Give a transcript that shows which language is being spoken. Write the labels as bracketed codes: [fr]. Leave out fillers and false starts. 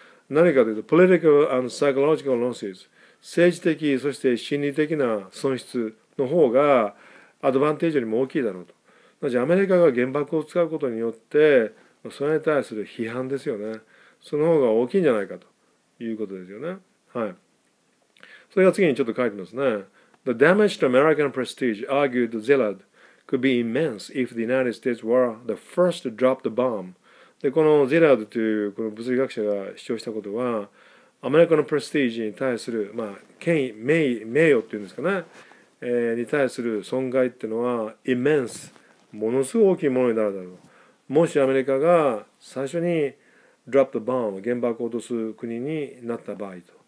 [ja] 何かというと、 political and psychological losses、政治的、そして心理的な損失の方がアドバンテージよりも大きいだろうと。なぜアメリカが原爆を使うことによって、それに対する批判ですよね。その方が大きいんじゃないかということですよね。はい。それが次にちょっと書いてますね。 [en] The damage to American prestige, argued Zillard. could be immense if the United States were the first to drop the bomb. [ja] で、このゼラードというこの物理学者が主張したことは、アメリカのプレスティージに対する、まあ、権威、名誉っていうんですかね、に対する損害っていうのは、immense、ものすごい大きいものになるだろう。もしアメリカが最初に drop the bomb、原爆を落とす国になった場合と。